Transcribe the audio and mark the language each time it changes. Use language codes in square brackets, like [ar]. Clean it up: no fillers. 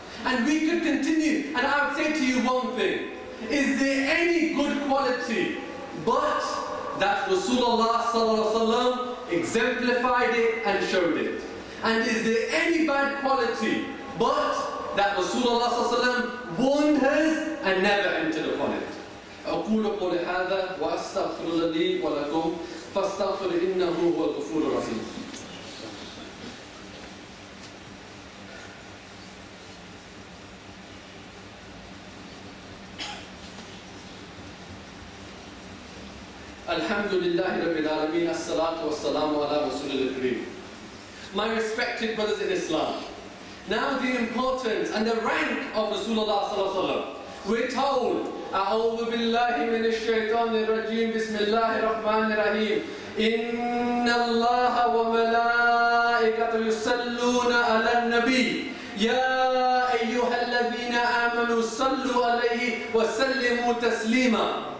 [en] And we could continue. And I would say to you one thing. Is there any good quality but that Rasulullah exemplified it and showed it? And is there any bad quality but that Rasulullah warned us and never entered upon it? [ar] أقول قول هذا وأستغفر لي ولكم فاستغفر إنه هو الغفور الرحيم. الحمد لله رب العالمين الصلاة والسلام على رسول الكريم. [en] My respected brothers in Islam, now the importance and the rank of Rasulullah [ar] صلى الله عليه وسلم. [en] We're told, [ar] أعوذ بالله من الشيطان الرجيم بسم الله الرحمن الرحيم إن الله وملائكته يصلون على النبي يا أيها الذين آمنوا صلوا عليه وسلموا تسليما.